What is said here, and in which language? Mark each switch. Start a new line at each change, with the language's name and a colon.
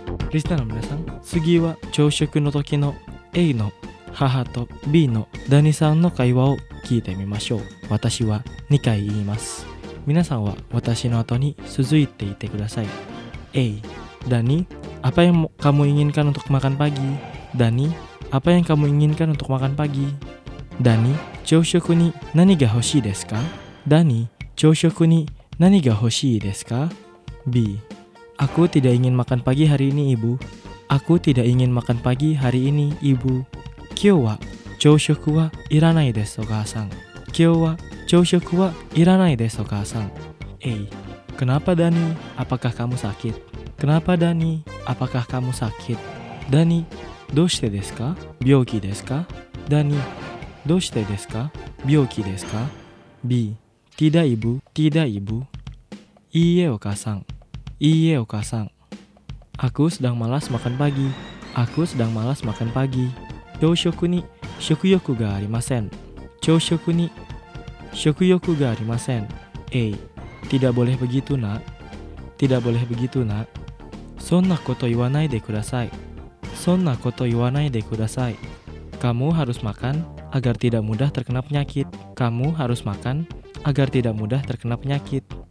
Japanese: リスナーの皆さん、次は朝食の時の A の母と B のダニさんの会話を聞いてみましょう。私は2回言います。皆さんは私の後に続いていてください。 A.
Indonesian: Dani, apa yang kamu inginkan untuk makan pagi? Dani, apa yang kamu inginkan untuk makan pagi?
Japanese: Dani, 朝食に何が欲しいですか?Dani, 朝食に何が欲しいですか? B.
Indonesian: Aku tidak ingin makan pagi hari ini, ibu. Aku tidak ingin makan pagi hari ini, ibu.
Japanese: Kyo wa, 朝食はいらないです、お母さん。Kyo wa,朝食はいらないです、お母さん。
Indonesian: A. Kenapa Dani? Apakah kamu sakit? Kenapa Dani? Apakah kamu sakit?
Japanese: Dani, どうしてですか?病気ですか?Dani, どうしてですか? 病気ですか?
Indonesian: B. Tidak ibu, tidak ibu.
Japanese: Iye, お母さん。Iye, お母さん。
Indonesian: Aku sedang malas makan pagi. Aku sedang malas makan pagi.
Japanese: 朝食に食欲がありません。朝食に Shoku yoku ga arimasen.
Indonesian: A. Tidak boleh begitu nak. Tidak boleh begitu nak.
Japanese: Sonna koto iwanai de kudasai. Sonna koto iwanai de kudasai.
Indonesian: Kamu harus makan agar tidak mudah terkena penyakit. Kamu harus makan agar tidak mudah terkena penyakit.